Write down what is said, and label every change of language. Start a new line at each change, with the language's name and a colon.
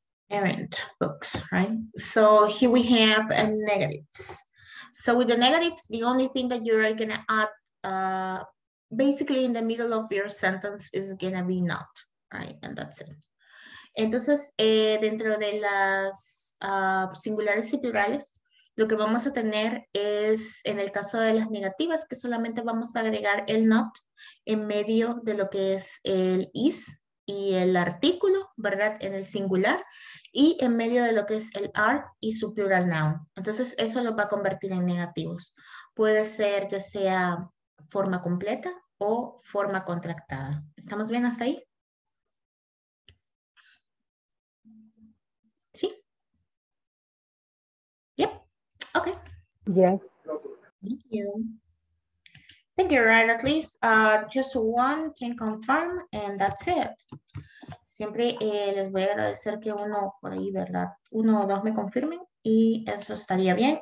English: Aren't books, right? So here we have a negatives. So with the negatives, the only thing that you are gonna add basically in the middle of your sentence is gonna be not, right? And that's it.
Spanish: Entonces, dentro de las singulares y plurales, lo que vamos a tener es, en el caso de las negativas, que solamente vamos a agregar el not en medio de lo que es el is y el artículo, ¿verdad? En el singular, y en medio de lo que es el are y su plural noun. Entonces, eso lo va a convertir en negativos. Puede ser ya sea forma completa o forma contractada. ¿Estamos bien hasta ahí?
English: Okay. Yes. Thank you. Thank you, right? At least just one can confirm and that's it.
Spanish: Siempre les voy a agradecer que uno por ahí, ¿verdad? Uno o dos me confirmen y eso estaría bien.